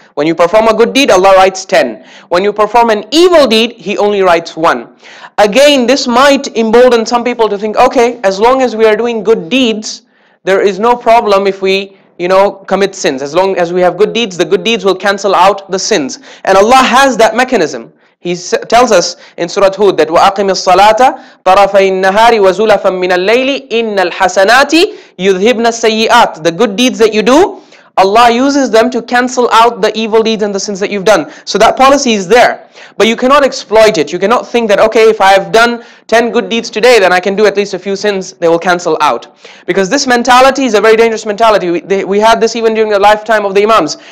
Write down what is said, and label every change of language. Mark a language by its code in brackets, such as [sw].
[en] When you perform a good deed, Allah writes 10. When you perform an evil deed, He only writes 1. Again, this might embolden some people to think, okay, as long as we are doing good deeds, there is no problem if we, you know, commit sins. As long as we have good deeds, the good deeds will cancel out the sins. And Allah has that mechanism. He tells us in Surah Hud that [ar] وَأَقِمِ الصَّلَاةَ طَرَفَيِ النَّهَارِ وَزُلَفًا مِّنَ اللَّيْلِ إِنَّ الْحَسَنَاتِ يُذْهِبْنَ السَّيِّئَاتِ. [en] The good deeds that you do, Allah uses them to cancel out the evil deeds and the sins that you've done. So that policy is there. But you cannot exploit it. You cannot think that, okay, if I've done 10 good deeds today, then I can do at least a few sins, they will cancel out. Because this mentality is a very dangerous mentality. We had this even during the lifetime of the Imams.